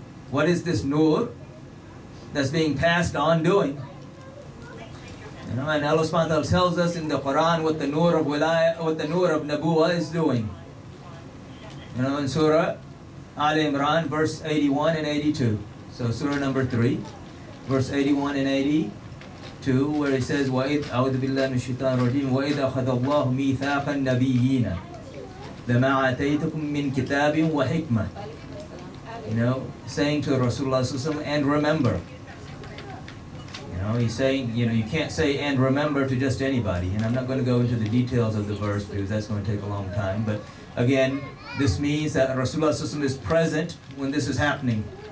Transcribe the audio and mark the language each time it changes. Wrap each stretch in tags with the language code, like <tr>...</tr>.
<en>What is this nur that's being passed on doing? You know, and Allah subhanahu wa ta'ala tells us in the Quran what the nur of wilaya, what the nur of Nabuwa is doing. You know, in Surah Ali Imran, verse 81 and 82. So Surah number 3. Verse 81 and 82, where he says,</en> <ar>وَإِذْ أَعُوذُ بِاللَّهِ مِنْ الشَّيْطَانِ الرَّجِيمِ وَإِذْ أَخَذَ اللَّهُ مِيثَاقَ النَّبِيِّينَ لَمَا عَتَيْتُكُمْ مِنْ كِتَابٍ وَحِكْمَةٍ.</ar> <en>You know, saying to Rasulullah, and remember. You know, he's saying, you know, you can't say and remember to just anybody. And I'm not going to go into the details of the verse, because that's going to take a long time. But again, this means that Rasulullah is present when this is happening.</en>